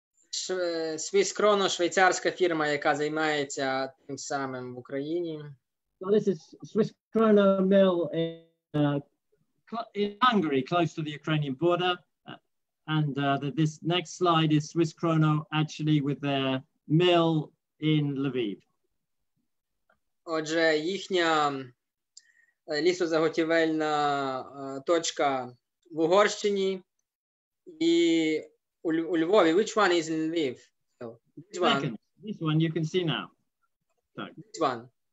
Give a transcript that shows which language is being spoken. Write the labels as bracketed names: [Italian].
[Ukrainian] Swiss Krono, швейцарська фірма, яка займається тим самим в Україні. [English] So this is Swiss Krono mill in Hungary, close to the Ukrainian border. And this next slide is Swiss Krono actually with their mill in Lviv. [Ukrainian] Отже, їхня лісозаготівельна точка в Угорщині і у Львові. [English] Which one is in Lviv? Which one? Second. This one you can see now. [Ukrainian] Так. [English] This one.